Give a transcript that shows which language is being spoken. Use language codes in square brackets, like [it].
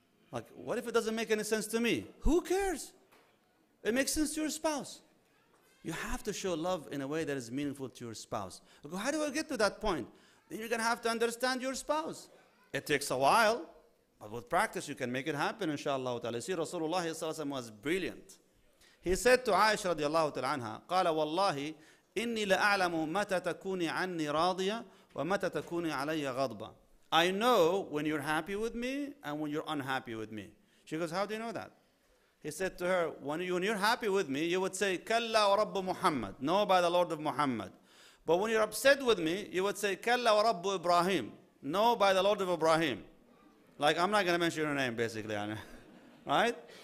[en] Like, what if it doesn't make any sense to me? Who cares? It makes sense to your spouse. You have to show love in a way that is meaningful to your spouse. Okay, how do I get to that point? Then you're going to have to understand your spouse. It takes a while, but with practice you can make it happen, inshallah. You see, Rasulullah sallallahu alayhi wa sallam was brilliant. He said to Aisha radiallahu ta'ala anha, [ar] قَالَ وَاللَّهِ إِنِّي لَأَعْلَمُ مَتَ تَكُونِ عَنِّي رَاضِيَ وَمَتَ تَكُونِ عَلَيَّ غَضْبًا. [en] I know when you're happy with me and when you're unhappy with me. She goes, how do you know that? He said to her, when you're happy with me, you would say, [ar] كَلَّا وَرَبُّ مُحَمَّدٍ. [en] No, by the Lord of Muhammad. But when you're upset with me, you would say, [ar] كَلَّا وَرَبُّ إِبْرَاهِيمٍ. [en] No, by the Lord of Ibrahim. Like, I'm not going to mention your name, basically. Right?